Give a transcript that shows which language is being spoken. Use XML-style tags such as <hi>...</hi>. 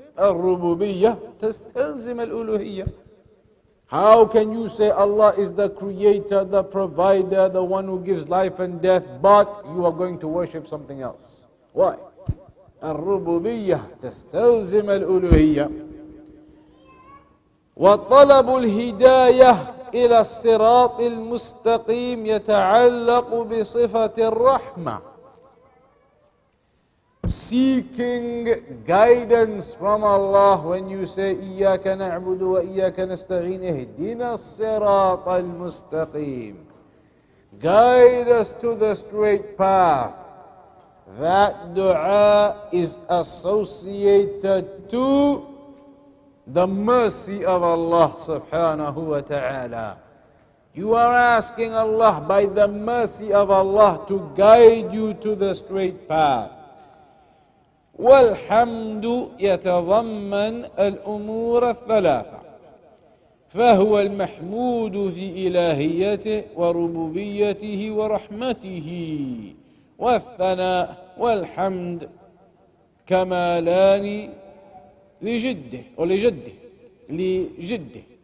<ar>الربوبية تستلزم الألوهية.</ar> <en>How can you say Allah is the creator, the provider, the one who gives life and death, but you are going to worship something else? Why?</en> <ar>الربوبية تستلزم الألوهية. وَطَلَبُ الْهِدَايَةِ إِلَى الصِّرَاطِ الْمُسْتَقِيمِ يَتَعَلَّقُ بِصِفَةِ الرَّحْمَةِ.</ar> <en>Seeking guidance from Allah when you say</en> <ar>إِيَّاكَ نَعْبُدُ وَإِيَّاكَ نَسْتَعِينِ اهْدِنَا الصِّرَاطَ الْمُسْتَقِيمِ.</ar> <en>Guide us to the straight path. That dua is associated to the mercy of Allah subhanahu wa ta'ala. You are asking Allah by the mercy of Allah to guide you to the straight path.</en> <ar>وَالْحَمْدُ يَتَضَمَّنْ الْأُمُورَ الثَّلَاثَةِ فَهُوَ الْمَحْمُودُ فِي إِلَهِيَتِهِ وَرُبُوبِيَّتِهِ وَرَحْمَتِهِ وَالثَّنَاءُ وَالْحَمْدُ كَمَالَانِ لجده أو لجده لجده</ar>